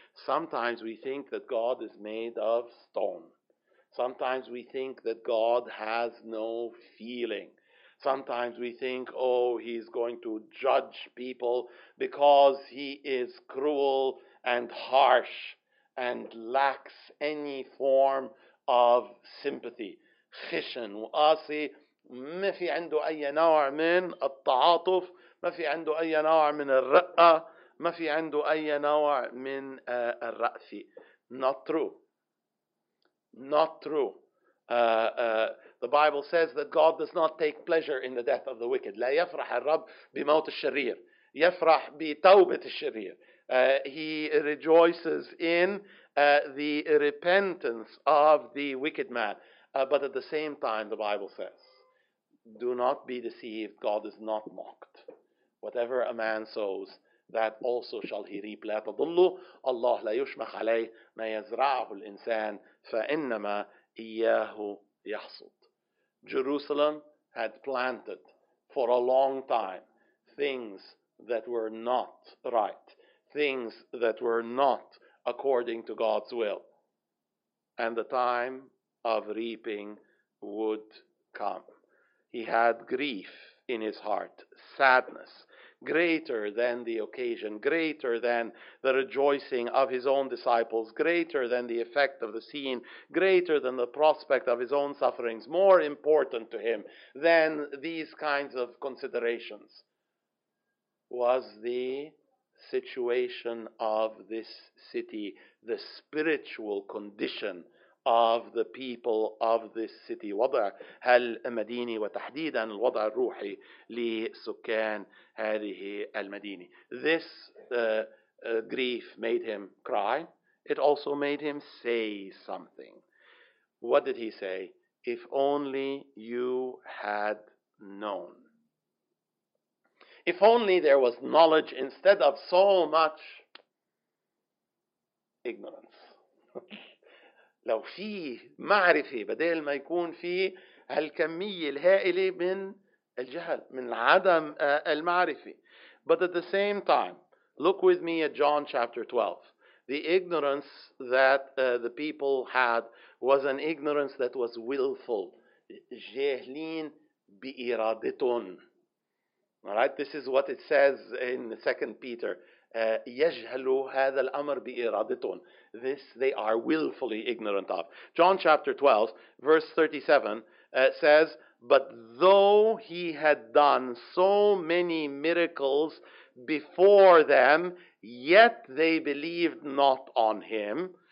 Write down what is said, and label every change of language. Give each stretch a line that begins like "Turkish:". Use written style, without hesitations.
English: Sometimes we think that God is made of stone. Sometimes we think that God has no feeling. Sometimes we think, oh, he's going to judge people because he is cruel and harsh and lacks any form of sympathy.
Arabic: خشن وقاسي ما في عنده أي نوع من التعاطف ما في عنده أي نوع من الرقة ما في عنده أي نوع من الرأفة.
English: Not true. Not true. The Bible says that God does not take pleasure in the death of the wicked.
Arabic: لا يفرح الرب بموت الشرير. يفرح بتوبة الشرير.
English: He rejoices in the repentance of the wicked man. But at the same time, the Bible says, do not be deceived. God is not mocked. Whatever a man sows, that also shall he reap.
Arabic: لا تضلوا. الله لا يشمخ عليه. ما يزرعه الإنسان فإنما إياه يحصد.
English: Jerusalem had planted for a long time things that were not right, things that were not according to God's will. And the time of reaping would come. He had grief in his heart, sadness, greater than the occasion, greater than the rejoicing of his own disciples, greater than the effect of the scene, greater than the prospect of his own sufferings, more important to him than these kinds of considerations, was the situation of this city, the spiritual condition of the people of this city.
Arabic: وضع المدينة وتحديدا الوضع الروحي لسكان هذه المدينة.
English: This grief made him cry. It also made him say something. What did he say? If only you had known. If only there was knowledge instead of so much ignorance.
Arabic: لو في معرفة بدل ما يكون في هالكمية الهائلة من الجهل من عدم المعرفة.
English: But at the same time, look with me at John chapter 12. The ignorance that the people had was an ignorance that was willful.
Arabic: جاهلين بإرادتهم.
English: All right, this is what it says in 2 Peter.
Arabic: يجهلوا هذا الأمر بإرادتهم.
English: This they are willfully ignorant of. John chapter 12, verse 37 says, but though he had done so many miracles before them, yet they believed not on him.